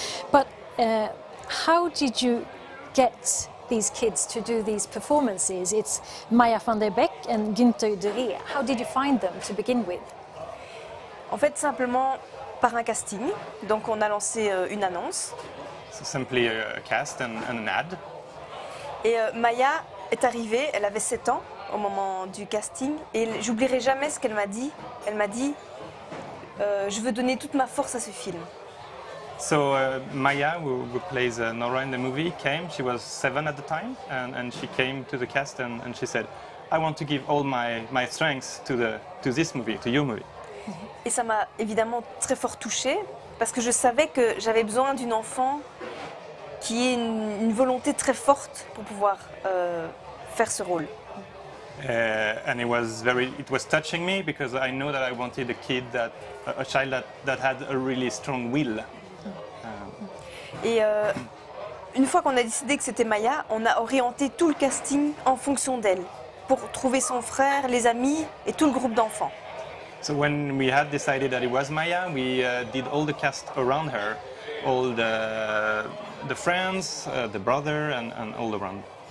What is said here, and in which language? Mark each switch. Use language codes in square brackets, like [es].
[en] But how did you get these kids to do these performances? It's Maya van der Beek and Günther De Rier. How did you find them to begin with? [fr] En fait, simplement par un casting. Donc, on a lancé une annonce. [en] So simply a cast and an ad. [fr] Et Maya est arrivée, elle avait 7 ans au moment du casting. Et j'oublierai jamais ce qu'elle m'a dit. Elle m'a dit, je veux donner toute ma force à ce film. [en] So Maya, who plays Nora in the movie, came. She was 7 at the time. And she came to the cast and she said, I want to give all my strength to this movie, to your movie. [fr] Et ça m'a évidemment très fort touchée parce que je savais que j'avais besoin d'une enfant qui ait une volonté très forte pour pouvoir faire ce rôle. [en] And it was very, it was touching me because I know that I wanted a kid that, a child that, that had a really strong will. [fr] Et une fois qu'on a décidé que c'était Maya, on a orienté tout le casting en fonction d'elle, pour trouver son frère, les amis et tout le groupe d'enfants. [en] So when we had decided that it was Maya, we did all the cast around her, all the friends, the brother and all around.